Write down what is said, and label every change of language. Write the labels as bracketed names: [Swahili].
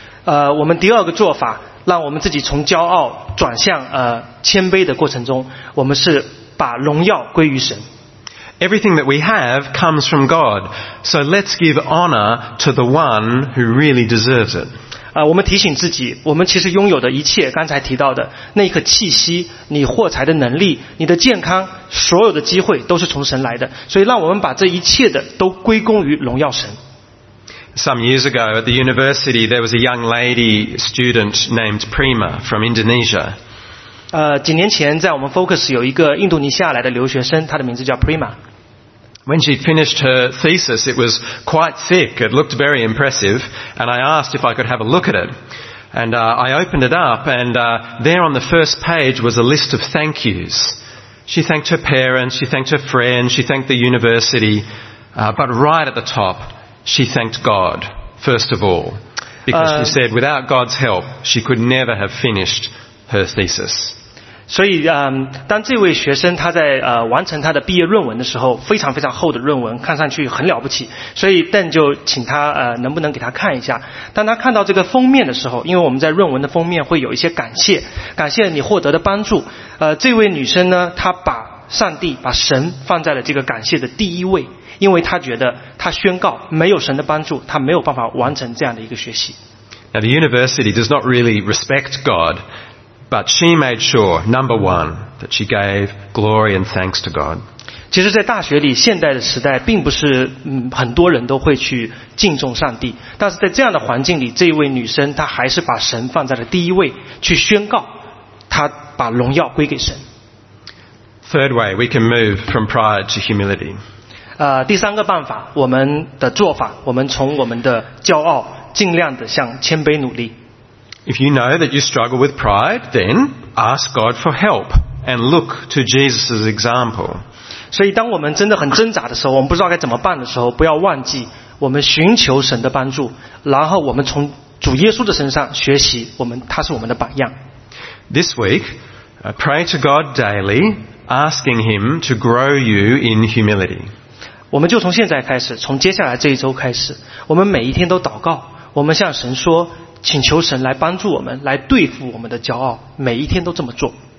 [Chinese] 我们第二个做法，让我们自己从骄傲转向谦卑的过程中，我们是把荣耀归于神。 [English] Everything that we have comes from God, so let's give honor to the one who really deserves it. [Chinese] 我们提醒自己，我们其实拥有的一切，刚才提到的那一刻气息，你获财的能力，你的健康，所有的机会都是从神来的，所以让我们把这一切的都归功于荣耀神。 [English] Some years ago at the university there was a young lady student named Prima from Indonesia. [Chinese] 几年前在我们 Focus 有一个印度尼西亚来的留学生，她的名字叫 Prima。 [English] When she finished her thesis, it was quite thick. It looked very impressive. And I asked if I could have a look at it. And I opened it up, and there on the first page was a list of thank yous. She thanked her parents, she thanked her friends, she thanked the university. But right at the top, she thanked God, first of all. Because she said, without God's help, she could never have finished her thesis. [Chinese] 所以当这位学生他在完成他的毕业论文的时候，非常非常厚的论文，看上去很了不起，所以邓就请他能不能给他看一下。当他看到这个封面的时候，因为我们在论文的封面会有一些感谢，感谢你获得的帮助，这位女生呢，她把上帝把神放在了这个感谢的第一位，因为他觉得他宣告没有神的帮助，他没有办法完成这样的一个学习。 [English] Now the university does not really respect God, but she made sure, number one, that she gave glory and thanks to God. [Chinese] 其实在大学里，现代的时代并不是很多人都会去敬重上帝，但是在这样的环境里，这位女生她还是把神放在了第一位，去宣告她把荣耀归给神。 [English] Third way, we can move from pride to humility. [Chinese] 第三个办法，我们的做法，我们从我们的骄傲尽量的向谦卑努力。 [English] If you know that you struggle with pride, then ask God for help and look to Jesus' example. [Chinese] 所以当我们真的很挣扎的时候，我们不知道该怎么办的时候，不要忘记我们寻求神的帮助，然后我们从主耶稣的身上学习，他是我们的榜样。 [English] This week, pray to God daily, asking him to grow you in humility. [Chinese] 我们就从现在开始，从接下来这一周开始，我们每一天都祷告，我们向神说，请求神来帮助我们，来对付我们的骄傲，每一天都这么做。